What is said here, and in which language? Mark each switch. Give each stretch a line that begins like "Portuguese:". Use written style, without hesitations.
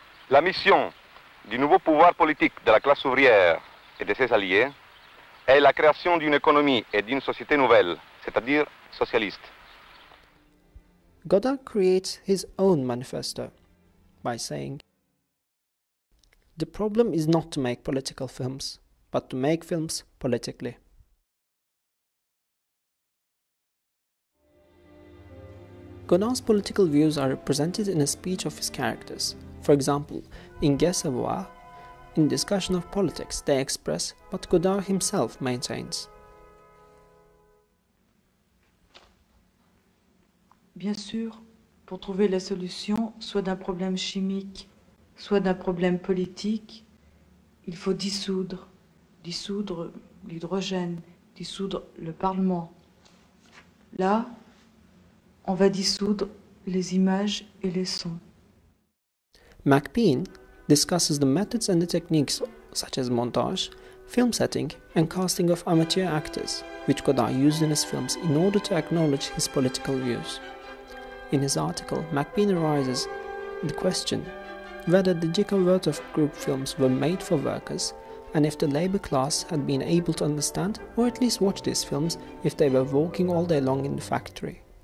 French: La mission du nouveau pouvoir politique de la classe ouvrière et de ses alliés est la création d'une économie et d'une société nouvelle, c'est-à-dire socialiste.
English: Godard creates his own manifesto by saying, "The problem is not to make political films, but to make films politically." Godard's political views are represented in a speech of his characters. For example, in Gai Savoir, in discussion of politics, they express what Godard himself maintains.
French: Bien sûr, pour trouver la solution soit d'un problème chimique, soit d'un problème politique, il faut dissoudre l'hydrogène, dissoudre le Parlement. Là, on va dissoudre les images et les sons.
English: MacBean discusses the methods and the techniques such as montage, film setting, and casting of amateur actors, which Godard used in his films in order to acknowledge his political views. In his article, MacBean raises the question whether the Jacobertov group films were made for workers, and if the labor class had been able to understand or at least watch these films if they were working all day long in the factory.